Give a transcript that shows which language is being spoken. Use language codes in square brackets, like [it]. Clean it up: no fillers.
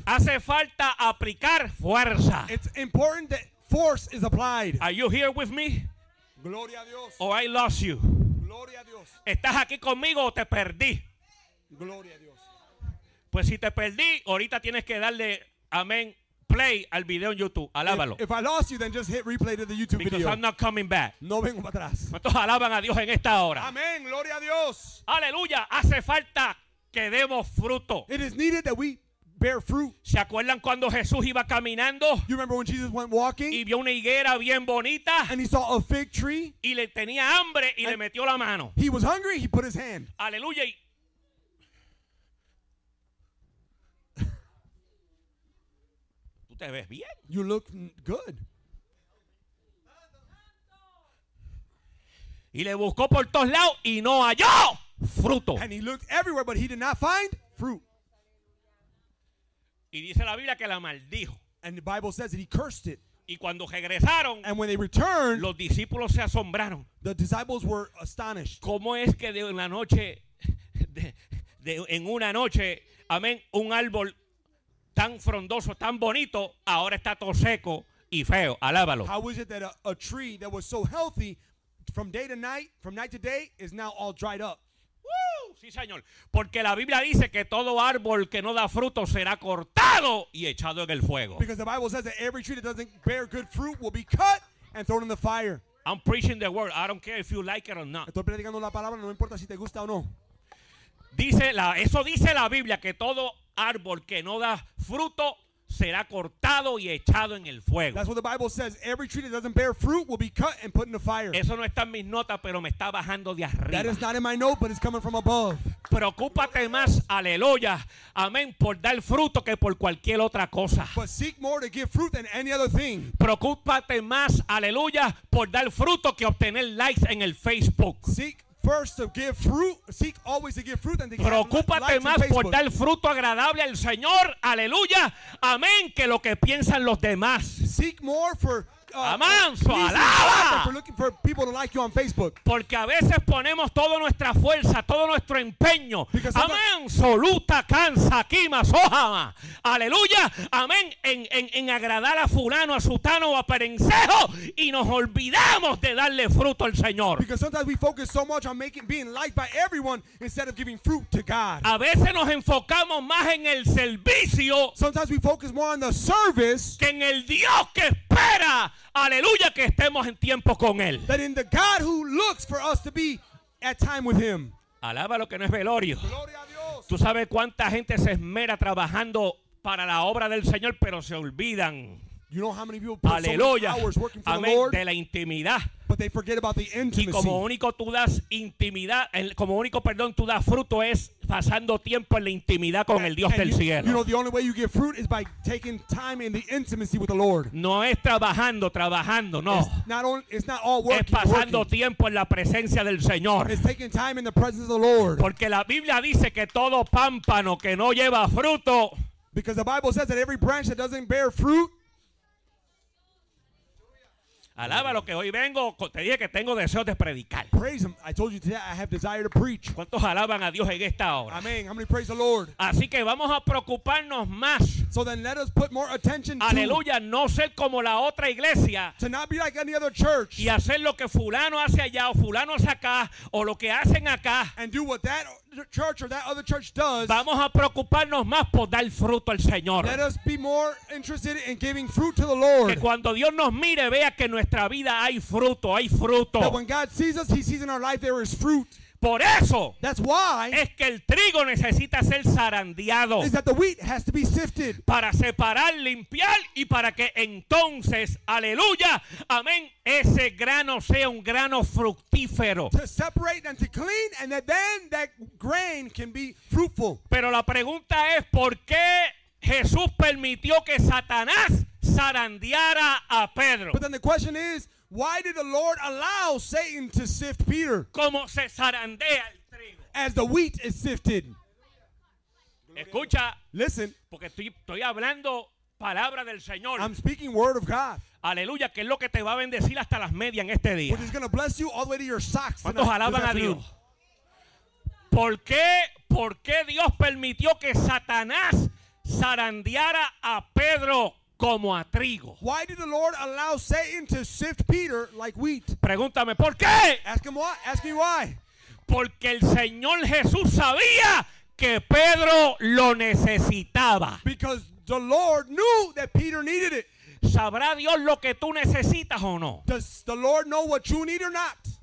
[es] Hace falta aplicar fuerza. [en] It's important that force is applied. Are you here with me? [es] Gloria a Dios. [en] Or I lost you. [es] Gloria a Dios. ¿Estás aquí conmigo o te perdí? Gloria a Dios. Pues si te perdí, ahorita tienes que darle amén. Play al video en YouTube. Alábalo. [en] If I lost you, then just hit replay to the YouTube because video. Because I'm not coming back. [es] No vengo para atrás. Entonces alaban a Dios en esta hora. Amén. Gloria a Dios. Aleluya. Hace falta que demos fruto. [en] It is needed that we bear fruit. [es] ¿Se acuerdan cuando Jesús iba caminando? [en] You remember when Jesus went walking? [es] Y vio una higuera bien bonita. [en] And he saw a fig tree. [es] Y le tenía hambre y le metió la mano. [en] He was hungry. He put his hand. [es] Aleluya. [en] You look good. [es] Y le buscó por todos lados y no halló fruto. [en] And he looked everywhere, but he did not find fruit. [es] Y dice la Biblia que la maldijo. [en] And the Bible says that he cursed it. [es] Y cuando regresaron, [en] and when they returned, [es] los discípulos se asombraron. [en] The disciples were astonished. [es] ¿Cómo es que de una noche, en una noche, amén, un árbol tan frondoso, tan bonito, ahora está todo seco y feo? Alábalo. [en] How is it that a tree that was so healthy from day to night, from night to day, is now all dried up? [es] Woo! Sí, señor. Porque la Biblia dice que todo árbol que no da fruto será cortado y echado en el fuego. [en] Because the Bible says that every tree that doesn't bear good fruit will be cut and thrown in the fire. I'm preaching the word. I don't care if you like it or not. [es] Estoy predicando la palabra, no importa si te gusta o no. Eso dice la Biblia, que todo árbol que no da fruto será cortado y echado en el fuego. [en] That's what the Bible says. Every tree that doesn't bear fruit will be cut and put in the fire. [es] Eso no está en mis notas, pero me está bajando de arriba. [en] That is not in my note, but it's coming from above. [es] Preocúpate más, aleluya, amén, por dar fruto que por cualquier otra cosa. [en] But seek more to give fruit than any other thing. [es] Preocúpate más, aleluya, por dar fruto que obtener likes en el Facebook. [en] Seek first to give fruit, seek always to give fruit and to give. [es] Preocúpate más por dar fruto agradable al Señor, aleluya, amén, que lo que piensan los demás. [en] Seek more for amanso, looking for people to like you on Facebook. [es] Porque a veces ponemos toda nuestra fuerza, todo nuestro empeño. Amanso, luta, cansa, quima, sojama. Aleluya, amén, en agradar a fulano, a sutano o a perencejo, y nos olvidamos de darle fruto al Señor. [en] Because sometimes we focus so much on being liked by everyone instead of giving fruit to God. [es] A veces nos enfocamos más en el servicio. [en] Sometimes we focus more on the service [es] que en el Dios que espera. Aleluya, que estemos en tiempo con él. [en] That in the God who looks for us to be at time with him. [es] Alaba lo que no es velorio. Gloria a Dios. Tú sabes cuánta gente se esmera trabajando para la obra del Señor, pero se olvidan. [en] You know how many people put aleluya so many hours working for [es] amén, [en] the Lord, [es] de la intimidad. [en] But they forget about the intimacy. [es] Y como único tú das intimidad, como único, perdón, tú das fruto es pasando tiempo en la intimidad con el Dios del cielo. [en] You know, the only way you get fruit is by taking time in the intimacy with the Lord. [es] No es trabajando, no. [en] It's not all working. [es] Es pasando [en] working. [es] Tiempo en la presencia del Señor. [en] It's taking time in the presence of the Lord. [es] Porque la Biblia dice que todo pámpano que no lleva fruto. [en] Because the Bible says that every branch that doesn't bear fruit. [es] Alaba lo que hoy vengo, te dije que tengo deseos de predicar. [en] Praise him. I told you today I have desire to preach. [es] ¿Cuántos alaban a Dios en esta hora? [en] Amen. How many praise the Lord? [es] Así que vamos a preocuparnos más. [en] So then let us put more attention. [es] Aleluya, [en] to [es] no ser como la otra iglesia. [en] To not be like any other church. [es] Y hacer lo que fulano hace allá o fulano hace acá o lo que hacen acá. [en] And do what that church or that other church does. [es] Vamos a preocuparnos más por dar fruto al Señor. [en] Let us be more interested in giving fruit to the Lord. [es] Que cuando Dios nos mire vea que nuestra vida hay fruto. [en] That when God sees us, he sees in our life there is fruit. [es] Por eso, [en] that's why, [es] es que el trigo necesita ser zarandeado. [en] Is that the wheat has to be sifted. [es] Para separar, limpiar, y para que entonces, aleluya, amén, ese grano sea un grano fructífero. [en] To separate and to clean, and that then that grain can be fruitful. [es] Pero la pregunta es, ¿por qué Jesús permitió que Satanás zarandeara a Pedro? [en] But then the question is, why did the Lord allow Satan to sift Peter? [es] Como se zarandea el trigo. [en] As the wheat is sifted. [es] Escucha. [en] Listen. [es] Porque estoy hablando palabra del Señor. [en] I'm speaking word of God. [es] Aleluya, que es lo que te va a bendecir hasta las medias en este día. [en] Which is going to bless you all the way to your socks. [es] ¿Cuántos alaban a Dios? ¿Por qué Dios permitió que Satanás zarandeara a Pedro? como a trigo. [en] Why did the Lord allow Satan to sift Peter like wheat? [es] Pregúntame, ¿por qué? [en] Ask him why. Ask me why. [es] Porque el Señor Jesús sabía que Pedro lo necesitaba. [en] Because the Lord knew that Peter needed it. [es] ¿Sabrá Dios lo que tú necesitas o no? [en] Does the Lord know what you need or not?